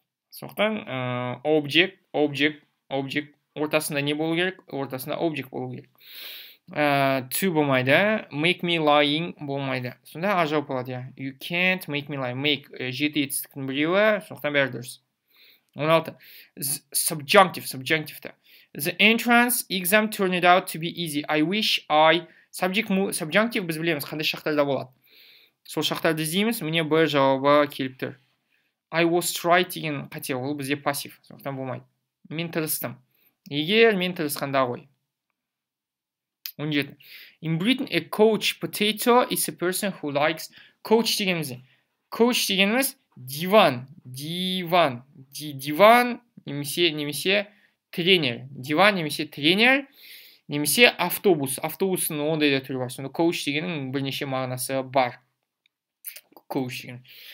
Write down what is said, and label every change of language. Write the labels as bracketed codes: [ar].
[kk] Соқтан, object, ортасында не болу керек? Ортасында object болу керек. To болмайды, [en] make me lying [kk] болмайды. Сонда а жауап болады, yeah. [en] You can't make me lie. [kk] Make жеті етістіктің біреуі, сондықтан бәрі дұрыс. 16. Subjunctive. [en] The entrance exam turned out to be easy. I wish I... [kk] Subjunctive біз білеміз, қандай шақтарда болады. Сол шақтарды іздейміз, мене бір жауабы келіп тұр. [en] I was trying [kk] деген қате, ол бізде пассив. Сондықтан болмайды. Мен тырыстым. Егер мен тырысқанда ғой. 17. [en] In Britain, a coach potato is a person who likes... [kk] Coach дегеніміз. Coach дегеніміз диван. Диван. Диван немесе тренер. Диван немесе тренер. Немесе автобус. Автобусының ондай да түрі бар. Сонда коуч дегенің бірнеше мағынасы бар. Коуч дегенің.